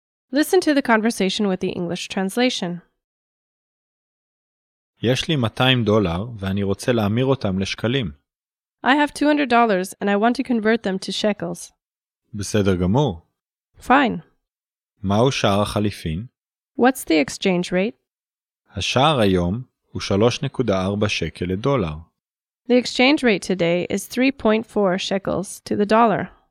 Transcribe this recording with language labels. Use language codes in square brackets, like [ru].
[en] Listen to the conversation with the English translation. [he] יש לי 200 דולר ואני רוצה להמיר אותם לשקלים. [en] I have $200 and I want to convert them to shekels. [he] בסדר גמור. [en] Fine. [he] מהו שער החליפין? [en] What's the exchange rate? [he] השער היום הוא 3.4 שקל לדולר. [en] The exchange rate today is 3.4 shekels to the dollar.